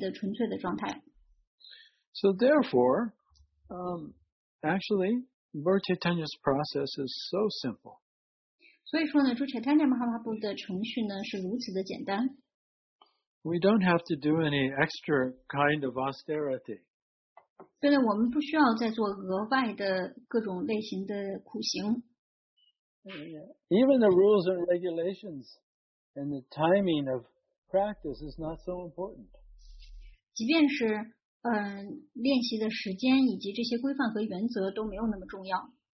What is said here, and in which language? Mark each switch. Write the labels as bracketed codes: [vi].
[zh] 但是呢，如果一个人他非常的坚定的，就无论处在怎样的状态下，反正我都念诵，我使劲念，那他最后呢就能够达到对于心意的纯粹的状态。So [en] therefore, actually, Lord Chaitanya's process is so simple. [zh] 所以说呢，朱查坦尼马哈巴布的程序呢是如此的简单。 [en] We don't have to do any extra kind of austerity. [zh] 对，我们不需要再做额外的各种类型的苦行。 [en] Even the rules and regulations and the timing of practice is not so important. [zh] 即便是练习的时间以及这些规范和原则都没有那么重要。